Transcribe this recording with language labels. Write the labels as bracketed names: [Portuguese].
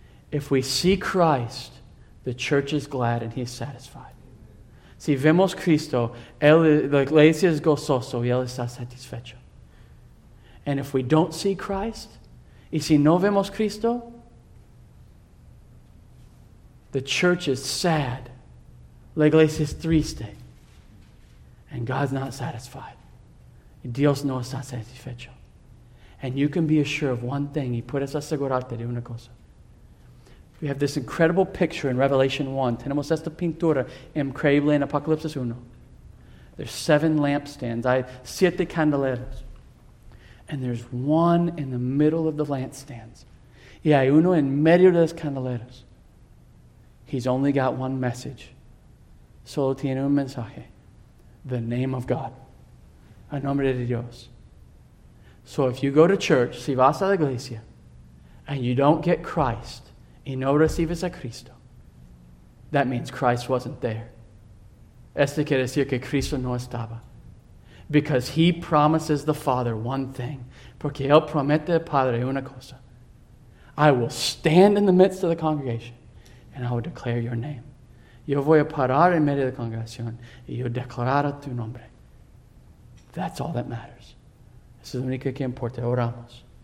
[English] If we see Christ, the church is glad and he is satisfied. [Spanish] Si vemos Cristo, la iglesia es gozoso y él está satisfecho. [English] And if we don't see Christ, [Spanish] y si no vemos Cristo, [English] The church is sad. [Spanish] La iglesia es triste. [English] And God's not satisfied. [Spanish] Dios no está satisfecho. [English] And you can be assured of one thing. [Spanish] Y puedes asegurarte de una cosa. [English] We have this incredible picture in Revelation 1. [Spanish] Tenemos esta pintura increíble en Apocalipsis 1. [English] There's seven lampstands. I have [Spanish] siete candeleros. [English] And there's one in the middle of the lampstands. [Spanish] Y hay uno en medio de las candeleras. [English] He's only got one message. [Spanish] Solo tiene un mensaje. [English] The name of God. [Spanish] El nombre de Dios. [English] So if you go to church, [Spanish] si vas a la iglesia, [English] and you don't get Christ, [Spanish] y no recibes a Cristo, [English] that means Christ wasn't there. [Spanish] Este quiere decir que Cristo no estaba. [English] Because he promises the Father one thing. [Spanish] Porque él promete al Padre una cosa. [English] I will stand in the midst of the congregation and I will declare your name. [Spanish] Yo voy a parar en medio de la congregación y yo declararé tu nombre. [English] That's all that matters. [Spanish] Eso es lo único que importa. Oramos.